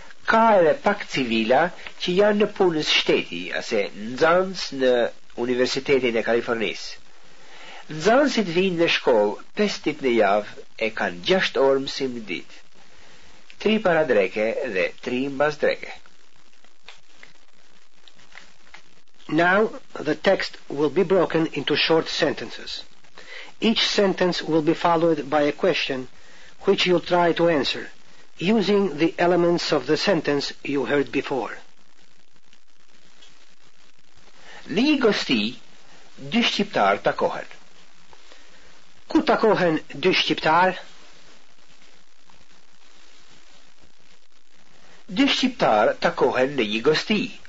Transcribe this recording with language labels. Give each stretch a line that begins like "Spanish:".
Albanian: Ka edhe pak civila që janë në punës shteti, ase nxënës në Universitetin e Kalifornisë. Nxënësit vinë në shkollë 5 ditë në javë e kanë 6 orë mësim në ditë, 3 para dreke dhe 3 mbas dreke.
English: Now the text will be broken into short sentences. Each sentence will be followed by a question which you'll try to answer using the elements of the sentence you heard before.
Albanian: Në një gosti, dy shqiptar takohen. Ku takohen dy shqiptar? Dy shqiptar takohen në një gosti.